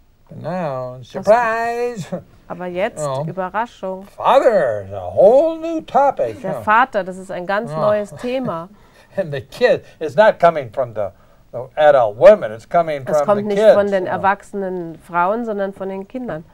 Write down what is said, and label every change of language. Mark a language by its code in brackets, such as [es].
[en] Now, surprise! [de] Aber jetzt, Überraschung. [en] Father is a whole new topic. [de] Der Vater, das ist ein ganz neues Thema. [en] And the kid is not coming from the adult women, it's coming from the kids. [de] Es kommt nicht von den erwachsenen Frauen, sondern von den Kindern.